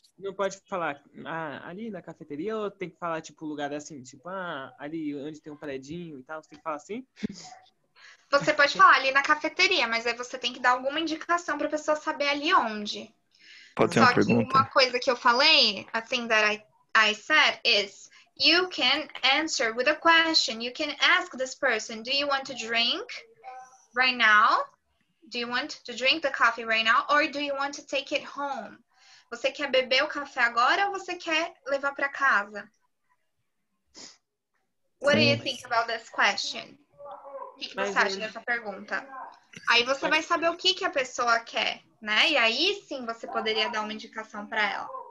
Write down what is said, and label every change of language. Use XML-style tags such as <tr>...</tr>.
<pt>Não pode falar ali na cafeteria, ou tem que falar tipo lugar assim, tipo ali onde tem um prédio e tal, você tem que falar assim? Você pode falar ali na cafeteria, mas aí você tem que dar alguma indicação para a pessoa saber ali onde. Pode ter uma pergunta. Uma coisa que eu falei,</pt> <en>a thing that I said is, you can answer with a question. You can ask this person, do you want to drink right now? Do you want to drink the coffee right now? Or do you want to take it home?</en> <pt>Você quer beber o café agora ou você quer levar para casa?</pt> <en>What do you think about this question?</en> <pt>O que, que você acha dessa pergunta? Aí você vai saber o que, que a pessoa quer, né? E aí sim você poderia dar uma indicação para ela.</pt>